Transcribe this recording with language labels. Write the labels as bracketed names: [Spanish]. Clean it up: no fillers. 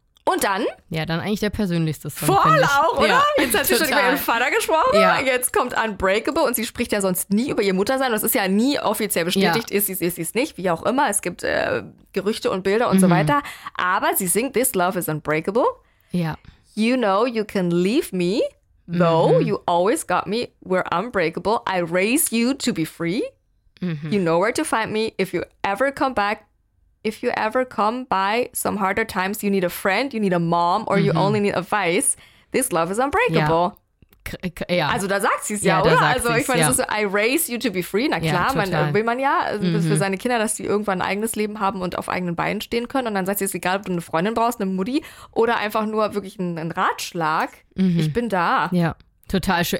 [German] Und dann? Ja, dann eigentlich der persönlichste Song. Voll auch, oder? Ja. Jetzt hat sie schon über ihren Vater gesprochen. Ja. Jetzt kommt Unbreakable und sie spricht ja sonst nie über ihr Muttersein. Das ist ja nie offiziell bestätigt. Ja. Ist sie es nicht, wie auch immer. Es gibt Gerüchte und Bilder und so weiter. Aber sie singt This Love is Unbreakable. Ja. [English] You know you can leave me, though you always got me. We're unbreakable. I raise you to be free. You know where to find me if you ever come back. If you ever come by some harder times, you need a friend, you need a mom, or you only need advice, this love is unbreakable. [German] Ja. Also da sagt sie es ja, oder? Also ich meine, das ist so, [English] I raise you to be free. [German] Na klar, will man ja für seine Kinder, dass sie irgendwann ein eigenes Leben haben und auf eigenen Beinen stehen können. Und dann sagt sie, es ist egal, ob du eine Freundin brauchst, eine Mutti, oder einfach nur wirklich einen Ratschlag. Ich bin da. Ja. Total schön.